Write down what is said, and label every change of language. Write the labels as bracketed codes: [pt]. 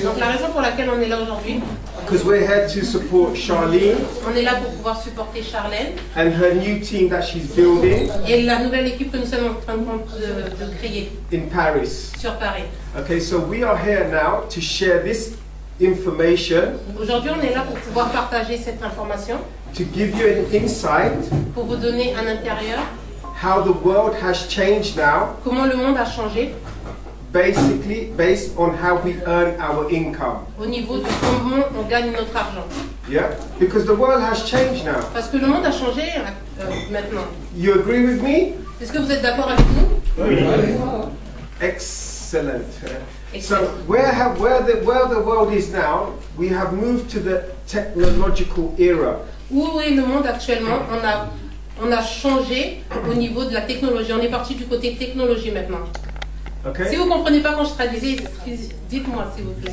[fr] donc la raison pour laquelle on est là aujourd'hui, [en] because we're here to support Charlene, [fr] on est là pour pouvoir supporter Charlene, [en] and her new team that she's building, [fr] et la nouvelle équipe que nous sommes en train de créer, [en] in Paris, [fr] sur Paris. [en] Okay, so we are here now to share this information. [fr] Aujourd'hui, on est là pour pouvoir partager cette information, [en] to give you an insight, [fr] pour vous donner un intérieur. [en] How the world has changed now. [fr] Comment le monde a changé? [en] Basically, based on how we earn our income. [fr] Au niveau de comment on gagne notre argent. [en] Yeah, because the world has changed now. [fr] Parce que le monde a changé maintenant. [en] You agree with me? [fr] Est-ce que vous êtes d'accord avec nous? Oui. [en] Excellent. So where the world is now, we have moved to the technological era. [fr] Où est le monde actuellement? On a changé au niveau de la technologie. On est parti du côté technologie maintenant. [en] Okay. [fr] Si vous ne comprenez pas quand je traduisais, dites-moi s'il vous plaît.